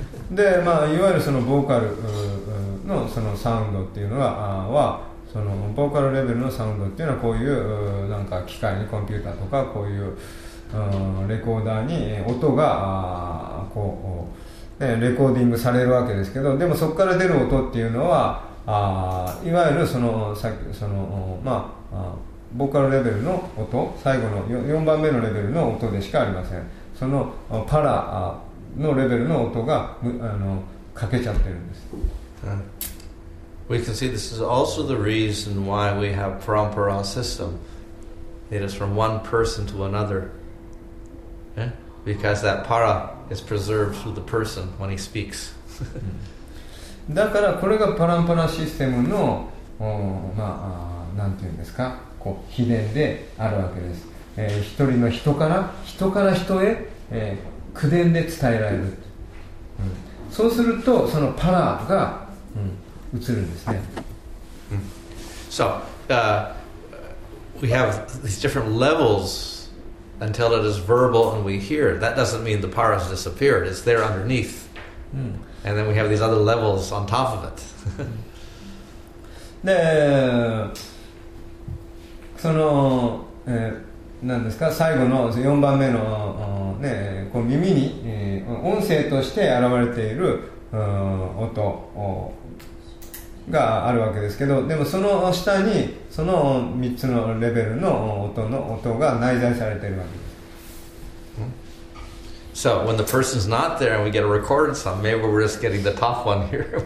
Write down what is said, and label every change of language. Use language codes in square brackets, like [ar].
[ja] で、まあ、いわゆるそのボーカルのそのサウンドっていうのは、そのボーカルレベルのサウンドっていうのはこういうなんか機械にコンピューターとかこういうレコーダーに音がこうでレコーディングされるわけですけど、でもそこから出る音っていうのはいわゆるそのさっきそのまあボーカルレベルの音、最後の4番目のレベルの音でしかありません。そのパラのレベルの音が欠けちゃってるんです。 [en] We can see this is also the reason why we have parampara system. It is from one person to another. Because that para is preserved through the person when he speaks. [ja] だからこれがパランパラシステムのまあなんていうんですか、こう秘伝であるわけです。一人の人から人へ。口伝で伝えられる、そうするとそのパラが、映るんですね。 [en] So, we have these different levels until it is verbal and we hear. That doesn't mean the para has disappeared. It's there underneath. And then we have these other levels on top of it. [ja] で、その、なんですか、最後の4番目のね、こう耳に、音声として現れている音があるわけですけど、でもその下にその3つのレベルの音が内在されているわけです。 [en] So when the person's not there and we get a recorded sound, maybe we're just getting the top one here.